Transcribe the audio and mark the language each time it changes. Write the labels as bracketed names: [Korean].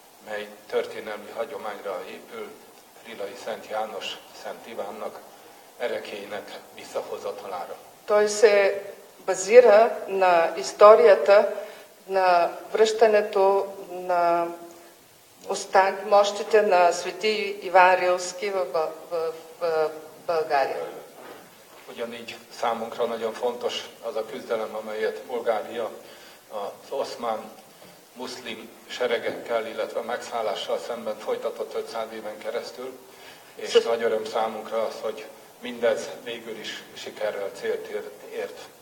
[Hungarian] Мей történelmi hagyományra épül Rilai Szent János Szent Ivánnak erekének visszahozatalára. [Bulgarian] Той се базира на историята на връщането на мощите на свети Иван Рилски в България. [Hungarian] Ugyanígy számunkra nagyon fontos az a küzdelem, amelyet Bulgária az oszmán muszlim seregekkel, illetve megszállással szemben folytatott 500 éven keresztül, és nagy öröm számunkra az, hogy mindez végül is sikerrel célt ért.